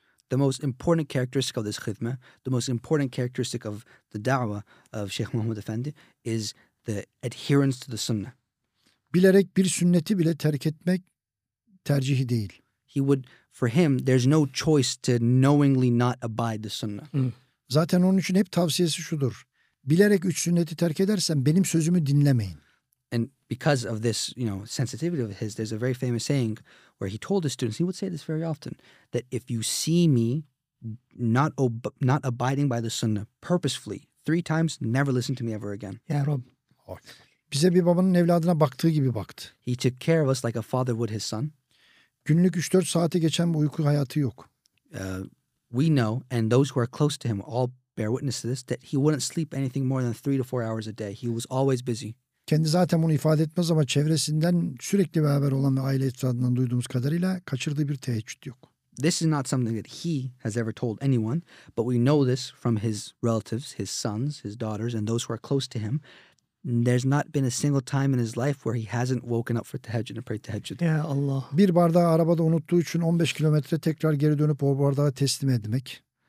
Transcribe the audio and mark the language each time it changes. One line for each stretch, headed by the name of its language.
English: The most important characteristic of this hizmet, the most important characteristic of the da'wah of Sheikh Mahmud Efendi is the adherence to the sunnah.
Turkish: Bilerek bir sünneti bile terk etmek tercihi değil.
English: He would, for him, there's no choice to knowingly not abide the sunnah.
Turkish: Zaten onun için hep tavsiyesi şudur. Bilerek üç sünneti terk edersen benim sözümü dinlemeyin.
English: And because of this, you know, sensitivity of his, there's a very famous saying where he told his students, he would say this very often, that if you see me not abiding by the sunnah purposefully three times, never listen to me ever again.
Turkish: Ya Rab. Bize bir babanın evladına baktığı gibi baktı.
English: He took care of us like a father would his son.
Turkish: Günlük 3-4 saate geçen bir uyku hayatı yok.
English: We know, and those who are close to him all bear witness to this, that he wouldn't sleep anything more than 3 to 4 hours a day. He was always busy.
Turkish: Kendi zaten bunu ifade etmez ama çevresinden sürekli beraber olan ve aile etrafından duyduğumuz kadarıyla kaçırdığı bir teheccüd yok.
English: This is not something that he has ever told anyone, but we know this from his relatives, his sons, his daughters, and those who are close to him. There's not been a single time in his life where he hasn't woken up for teheccüd and prayed teheccüd.
Turkish: Ya Allah. Bir bardağı arabada unuttuğu için 15 kilometre tekrar geri dönüp o bardağı teslim etmek.